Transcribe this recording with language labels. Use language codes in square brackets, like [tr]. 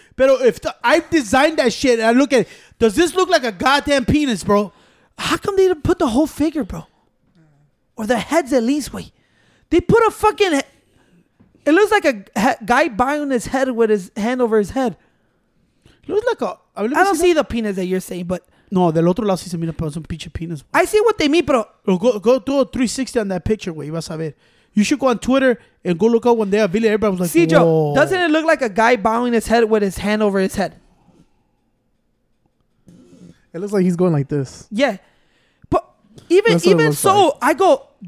[en] But if I've designed that shit and I look at it, does this look like a goddamn penis, bro? How come they didn't put the whole figure, bro? Or the heads at least, wait. They put a fucking... It looks like a guy bowing his head with his hand over his head. It looks like a... I mean, I don't see the penis that you're saying, but... [es] No, del otro lado sí se mira some pinche penis. [en] I see what they mean, bro. Go do a 360 on that picture, wey. [es] Vas a ver. [en] You should go on Twitter and go look up one day. A video. Everybody was like, see, Joe, doesn't it look like a guy bowing his head with his hand over his head? It looks like he's going like this. Yeah. But even so, like. I go...